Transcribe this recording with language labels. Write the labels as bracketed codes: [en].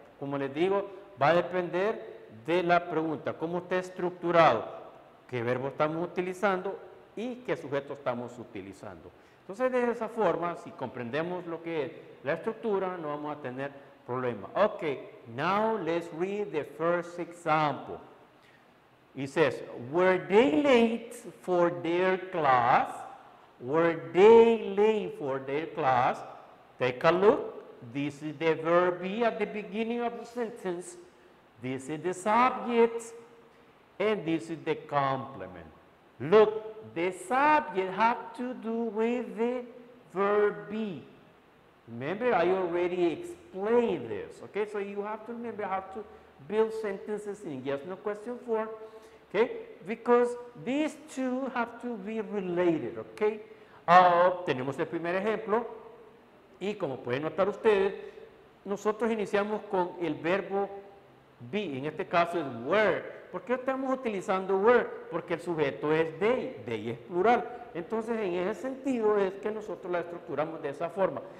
[es] Como les digo, va a depender de la pregunta. ¿Cómo está estructurado? ¿Qué verbo estamos utilizando? ¿Y qué sujeto estamos utilizando? Entonces, de esa forma, si comprendemos lo que es la estructura, no vamos a tener problema. [en] Ok, now let's read the first example. It says, were they late for their class? Were they late for their class? Take a look. This is the verb be at the beginning of the sentence. This is the subject. And this is the complement. Look, the subject has to do with the verb be. Remember, I already explained this. Okay, so you have to remember how to build sentences in yes, no question form. Okay, because these two have to be related. Okay. [es] Tenemos el primer ejemplo y como pueden notar ustedes, nosotros iniciamos con el verbo be, en este caso es were. ¿Por qué estamos utilizando were? Porque el sujeto es they, they es plural. Entonces, en ese sentido es que nosotros la estructuramos de esa forma.